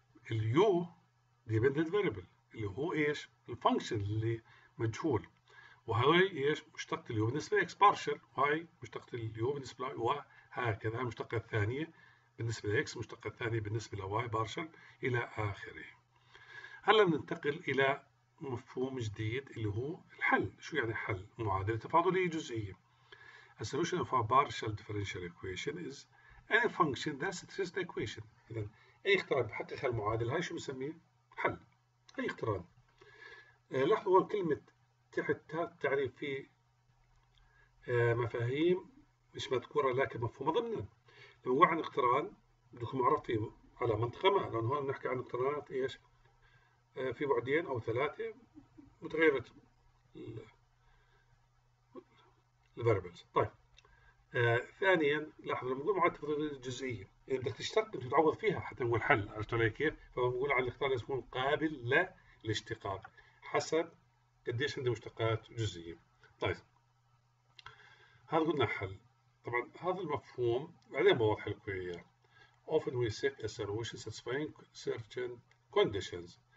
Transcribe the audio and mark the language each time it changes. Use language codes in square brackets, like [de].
[ar] ال U dependent variable اللي هو إيش؟ ال function اللي مجهول، وهذول إيش؟ مشتقة ال U بالنسبة لـ X partial، وهي مشتقة ال U بالنسبة لـ Y، وهكذا المشتقة الثانية بالنسبة لـ X، المشتقة الثانية بالنسبة لـ Y partial إلى آخره. هلا بننتقل إلى مفهوم جديد اللي هو الحل. [en] شو يعني حل معادلة تفاضلية جزئية؟ A solution of a partial differential equation is any function that satisfies the equation. [ar] إذا أي اقتران بحقق هالمعادلة هاي شو بنسميه؟ حل. أي اقتران. لاحظوا كلمة تحت تعريف في مفاهيم مش مذكورة لكن مفهومة ضمنا. لو هو عن اقتران بدكم معرفة على منطقة ما، لأن هون بنحكي عن اقترانات إيش؟ في بعدين أو ثلاثة متغيرة الـ variables. طيب ثانيا لاحظوا لما نقول معادلة تفاضلية جزئية، إذا بدك تشتق أنت بتعوض فيها حتى نقول حل، عرفت علي كيف؟ فبنقول على الاقتران لازم يكون قابل للاشتقاق حسب قديش عنده مشتقات جزئية. طيب هذا قلنا حل، طبعا هذا المفهوم بعدين بوضح لكم إياه. [en] Often we seek a solution satisfying certain conditions.